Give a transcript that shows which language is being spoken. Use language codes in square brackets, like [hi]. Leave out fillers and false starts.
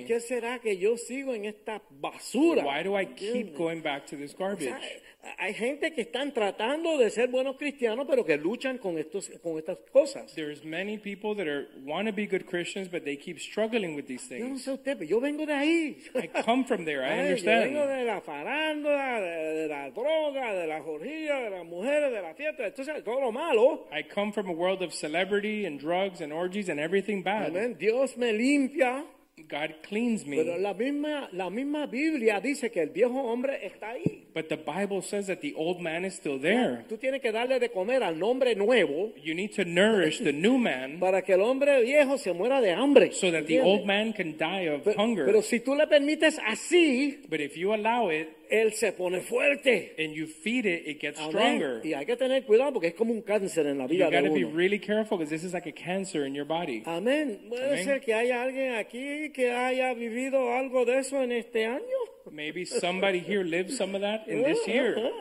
[es] ¿Por qué será que yo sigo en esta basura? [en] Why do I keep going back to this garbage? [es] Hay gente que están tratando de ser buenos cristianos, pero que luchan con estas cosas. [en] There's many people that want to be good Christians, but they keep struggling with these things. [es] Yo no sé usted, pero yo vengo de ahí. [en] I come from there, I understand. [es] Yo vengo de la farándula, de la droga, de la orgía, de las mujeres, de la fiesta, entonces todo lo malo. [en] I come from a world of celebrity and drugs and orgies and everything bad. [es] Amen. Dios me limpia. [en] God cleans me. [es] Pero la misma Biblia dice que el viejo hombre está ahí. [en] But the Bible says that the old man is still there. [es] Tú tienes que darle de comer al hombre nuevo. [en] You need to nourish the new man. [es] Para que el hombre viejo se muera de hambre. [en] So that the old man can die of hunger. [es] Pero si tú le permites así. [en] But if you allow it. [es] Él se pone fuerte. [en] And you feed it, it gets stronger. [es] Y hay que tener cuidado porque es como un cáncer en la vida de uno. [en] You gotta be really careful because this is like a cancer in your body. [es] Amén. Puede ser que haya alguien aquí que haya vivido algo de eso en este año. [en] Maybe somebody here lives some of that in this year.